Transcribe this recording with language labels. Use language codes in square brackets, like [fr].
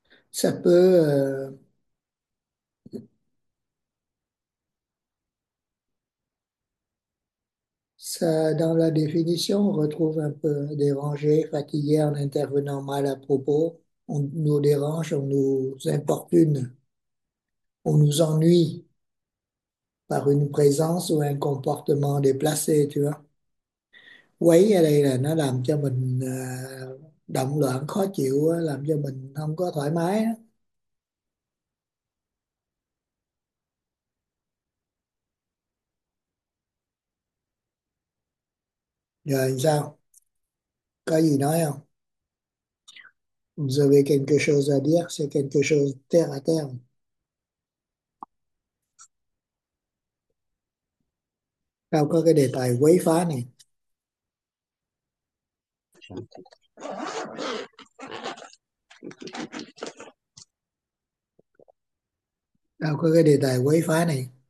[fr] Ça peut ça, dans la définition, on retrouve un peu dérangé, fatigué en intervenant mal à propos. On nous dérange, on nous importune, on nous ennuie par une présence ou un comportement déplacé, tu vois. [vi] Oui, đây là nó làm cho mình động loạn, khó chịu, làm cho mình không có thoải mái. Rồi sao? Có gì nói không? [fr] Vous avez quelque chose à dire, c'est quelque chose terre à terre. [vi] Sao có cái đề tài quấy phá này? Sao có cái đề tài quấy phá này?